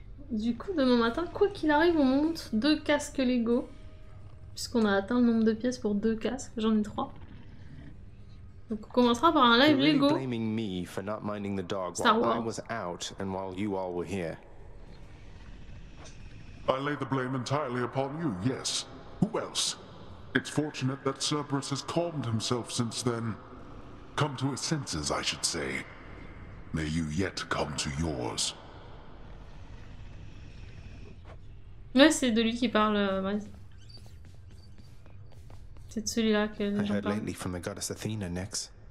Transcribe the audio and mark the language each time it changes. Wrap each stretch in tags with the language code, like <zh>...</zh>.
<fr>Du coup, demain matin, quoi qu'il arrive, on monte 2 casques Lego. Puisqu'on a atteint le nombre de pièces pour 2 casques, j'en ai 3. Donc on commencera par un live Lego.</fr> <en>You're blaming me for not minding the dog while I was out and while you all were here. I lay the blame entirely upon you, yes. Who else? It's fortunate that Cerberus has calmed himself since then. Come to his senses, I should say. May you yet come to yours.</en> <fr>Ouais, c'est de lui qui parle, c'est celui-là que j'en parle.</fr> <en>I heard lately from the goddess Athena, Nyx.</en>